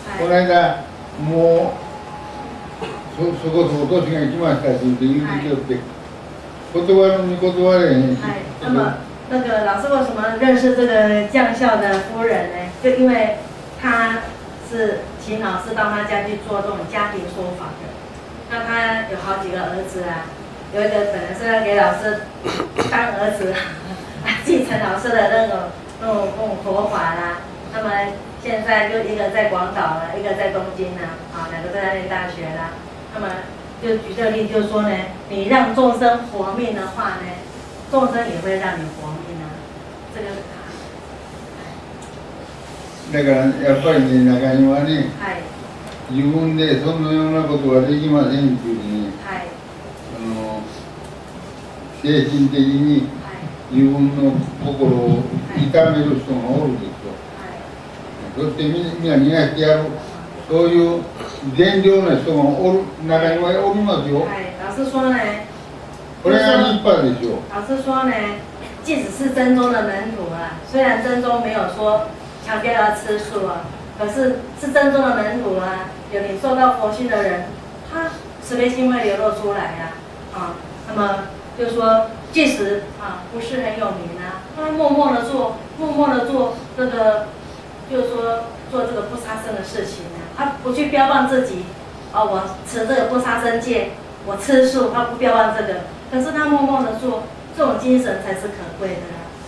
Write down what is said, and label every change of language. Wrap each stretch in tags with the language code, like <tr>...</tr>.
<ja>この間もう そこそこ年が来ましたし、って言ってきよって、はい、断るに断れへんし、</ja> <zh>はい、那么那个老师为什么认识这个将校的夫人呢？就因为他是请老师到他家去做这种家庭说法的，那他有好几个儿子啊，有一个本来是要给老师当儿子，继承老师的那种佛法啦、啊。那么现在就一个在广岛了，一个在东京呢，啊，两个在那边大学啦。那么就举这个例，就是说呢，你让众生活命的话呢，众生也会让你活命啊，这个。</zh> <ja>だからやっぱりね、中にはね、はい、自分でそんなようなことはできませんっていうね、はい、あの精神的に自分の心を痛める人がおるでしょ、はい、そしてみんな逃がしてやる、そういう善良な人がおる、中にはおりますよ、はい、</ja> <zh>老师说</zh> <ja>ね、これが立派でしょ。</ja> <zh>老师说ね、即使是真宗的门徒啊、虽然真宗没有说强调要吃素啊，可是是正宗的门徒啊，有领受到佛性的人，他慈悲心会流露出来呀、啊，啊，那么就说即使啊不是很有名啊，他默默的做，默默的做这个，就是说做这个不杀生的事情啊，他不去标榜自己，啊，我持这个不杀生戒，我吃素，他不标榜这个，可是他默默的做，这种精神才是可贵的、啊。</zh>